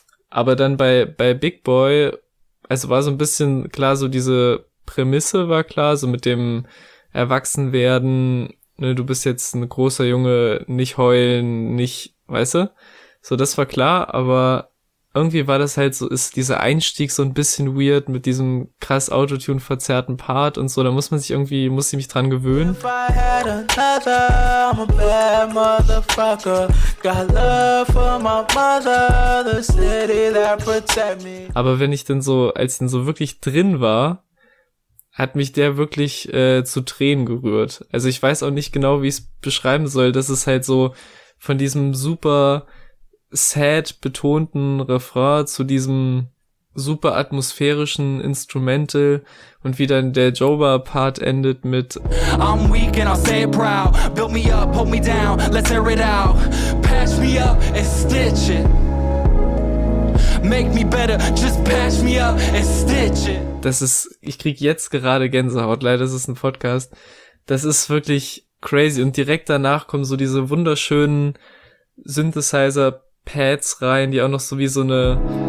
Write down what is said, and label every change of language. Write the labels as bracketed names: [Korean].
[German] Aber dann bei Big Boy, also war so ein bisschen klar, so diese Prämisse war klar, so mit dem erwachsen werden, ne, du bist jetzt ein großer Junge, nicht heulen, nicht, weißt du? So, das war klar, aber irgendwie war das halt so, ist dieser Einstieg so ein bisschen weird mit diesem krass Autotune verzerrten Part und so, da muss man sich irgendwie, muss ich mich dran gewöhnen. [English] If I had another, I'm a bad motherfucker. Got love for my mother, the city that protect me. [German] Aber wenn ich denn so, als ich denn so wirklich drin war, hat mich der wirklich zu Tränen gerührt. Also ich weiß auch nicht genau, wie ich es beschreiben soll. Das ist halt so von diesem super sad betonten Refrain zu diesem super atmosphärischen Instrumental und wie dann der Joba-Part endet mit [English] I'm weak and I'll say it proud. Build me up, hold me down, let's air it out. Patch me up and stitch it. Make me better, just patch me up and stitch it. [German] Das ist, ich krieg jetzt gerade Gänsehaut, leider ist es ein Podcast. Das ist wirklich crazy. Und direkt danach kommen so diese wunderschönen Synthesizer-Pads rein, die auch noch so wie so eine.